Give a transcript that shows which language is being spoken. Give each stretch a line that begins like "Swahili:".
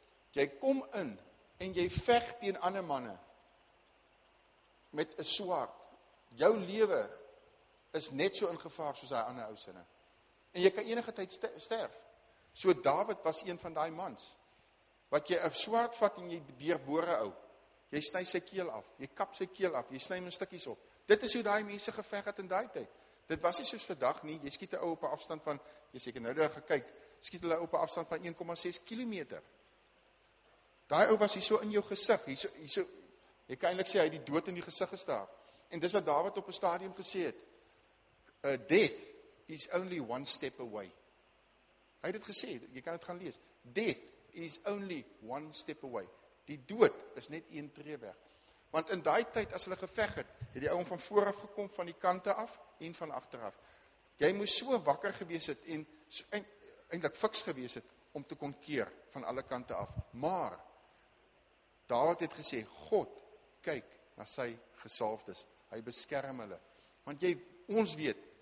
Afrikaans: Jy kom in en jy veg teen ander manne met 'n swaard. Jou lewe is net so in gevaar soos daai ander ou sinne. En jy kan enige tyd sterf. So David was een van daai mans wat jy 'n swaard vat en jy deurbore ou. Jy sny sy keel af, jy kap sy keel af, jy sny hom in stukkies op. Dit is hoe daai mense geveg het in daai tyd. Dit was nie soos vandag nie, jy skiet 'n ou op 'n afstand van, jy seker nou daar gekyk, skiet hulle op 'n afstand van 1,6 kilometer. Daai ou was hier so in jou gesig, hier so, jy kan eintlik sê hy het die dood in die gesig gestaar. En dis wat David op 'n stadium gesê het,
English: death is only one step away.
Afrikaans: Hy het dit gesê, jy kan dit gaan lees,
English: death is only one step away.
Afrikaans: Die dood is net een tree weg. Want in daai tyd as hulle geveg het, het die ouen van vooraf gekom van die kante af en van agteraf. Jy moes so wakker gewees het en so eintlik fiks gewees het om te kon keer van alle kante af. Maar David het gesê, God kyk na sy gesalfdes. Hy beskerm hulle. Want ons weet,